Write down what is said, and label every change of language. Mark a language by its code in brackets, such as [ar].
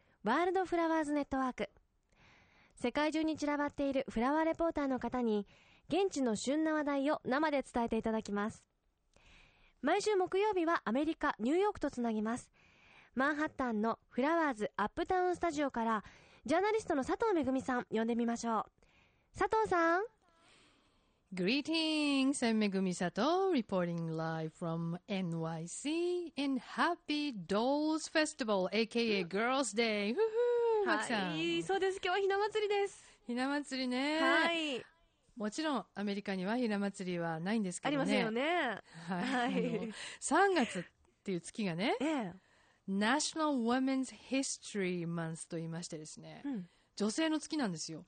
[ja] ワールドフラワーズネットワーク。世界中に散らばっているフラワーレポーターの方に現地の旬な話題を生で伝えていただきます。毎週木曜日はアメリカニューヨークとつなぎます。マンハッタンのフラワーズアップタウンスタジオからジャーナリストの佐藤めぐみさん呼んでみましょう。佐藤さん、 [en] Greetings, I'm Megumi Sato, reporting live from NYC and Happy Dolls Festival, aka Girls Day. [ja] はい、そうです。今日はひな祭りです。ひな祭りね。はい。もちろんアメリカにはひな祭りはないんですけどね。ありませんよね。はい。3月っていう月がね、National Women's History Month と言いましてですね。うん、女性の月なんですよ。